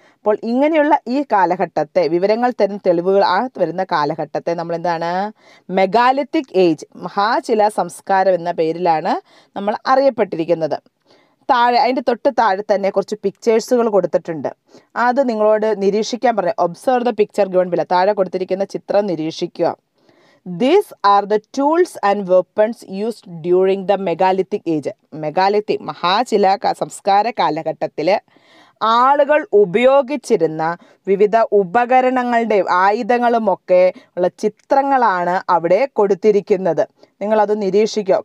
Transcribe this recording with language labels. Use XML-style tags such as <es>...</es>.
<ml>അപ്പോൾ ഇങ്ങനെയുള്ള ഈ കാലഘട്ടത്തെ, വിവരങ്ങൾ തരുന്ന തെളിവുകൾ ആകത്ത് വരുന്ന കാലഘട്ടത്തെ നമ്മൾ എന്താണ്, മെഗാലിത്തിക് ഏജ്, മഹാശിലാ സംസ്കാരം എന്ന പേരിലാണ് നമ്മൾ അറിയപ്പെട്ടിരിക്കുന്നത്. താഴെ അതിൻ്റെ തൊട്ട് താഴെ തന്നെ കുറച്ച് പിക്ചേഴ്സുകൾ കൊടുത്തിട്ടുണ്ട്. അത് നിങ്ങളോട് നിരീക്ഷിക്കാൻ പറയാം.</ml> <en>observe the picture given below,</en> <ml>താഴെ കൊടുത്തിരിക്കുന്ന ചിത്രം നിരീക്ഷിക്കുക.</ml> <en>These are the tools and weapons used during the Megalithic Age.</en> <ml>Megalithic, മഹാശിലാ സംസ്കാര കാലഘട്ടത്തിൽ ആളുകൾ ഉപയോഗിച്ചിരുന്ന വിവിധ ഉപകരണങ്ങളുടെയും ആയുധങ്ങളും ഒക്കെ ഉള്ള ചിത്രങ്ങളാണ് അവിടെ കൊടുത്തിരിക്കുന്നത്. നിങ്ങളത് നിരീക്ഷിക്കുക.</ml>